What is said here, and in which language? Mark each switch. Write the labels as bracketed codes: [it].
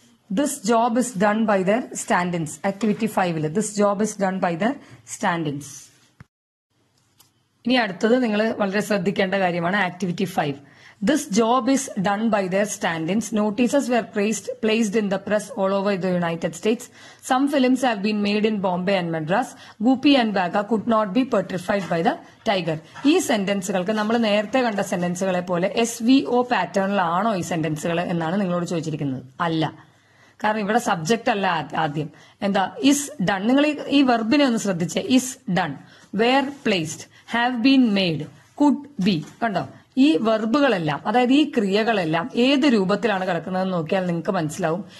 [en] This job is done by their stand-ins. Activity 5 ile. This job is done by their stand-ins. [ml] ഇനി അടുത്തത് നിങ്ങൾ വളരെ ശ്രദ്ധിക്കേണ്ട കാര്യമാണ് activity 5. [en] This job is done by their stand-ins. Notices were placed in the press all over the United States. Some films have been made in Bombay and Madras. Guppy and Baga could not be petrified by the tiger. [ml] ഈ സെന്റൻസുകൾക്ക് നമ്മൾ നേരത്തെ കണ്ട സെന്റൻസുകളെ പോലെ S V O പാറ്റേണിലാണോ ഈ സെന്റൻസുകൾ എന്നാണ് നിങ്ങളോട് ചോദിച്ചിരിക്കുന്നത്. അല്ല, കാരണം ഇവിടെ സബ്ജക്റ്റ് അല്ല ആദ്യം. എന്താ ഇസ് ഡൺ, നിങ്ങൾ ഈ വെർബിനെ ഒന്ന് ശ്രദ്ധിച്ചേ. [en] is done, were placed, have been made, could be, [ml] കണ്ടോ ഈ വെർബുകളെല്ലാം, അതായത് ഈ ക്രിയകളെല്ലാം ഏത് രൂപത്തിലാണ് കിടക്കുന്നത് നോക്കിയാൽ നിങ്ങൾക്ക് മനസ്സിലാവും.